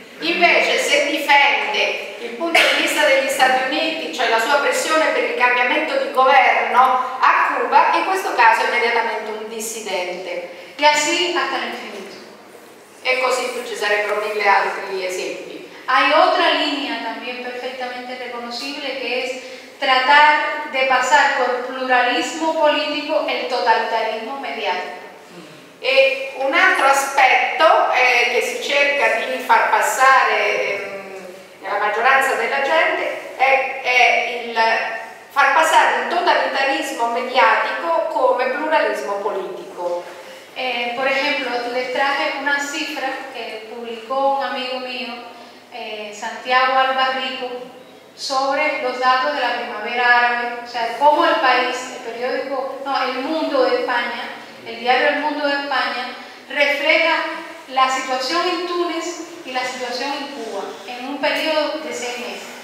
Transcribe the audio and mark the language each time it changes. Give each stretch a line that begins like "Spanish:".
Italian: Invece se difende il punto di vista degli Stati Uniti, cioè la sua pressione per il cambiamento di governo a Cuba, in questo caso è immediatamente un dissidente. E così hasta l'infinito. E così ci sarebbero mille altri esempi.
Spanish: Hay otra línea también perfectamente reconocible que es tratar de pasar por pluralismo político el totalitarismo mediático.
Italian: E un altro aspetto che si cerca di far passare nella maggioranza della gente è il far passare un totalitarismo mediatico come pluralismo politico.
Spanish: Por ejemplo, les traje una cifra que publicó un amigo mío, Santiago Alba Rico, sobre los datos de la primavera árabe, o sea, cómo el país, el periódico, no, el Mundo de España, el diario El Mundo de España, refleja la situación en Túnez y la situación en Cuba, en un periodo de 6 meses.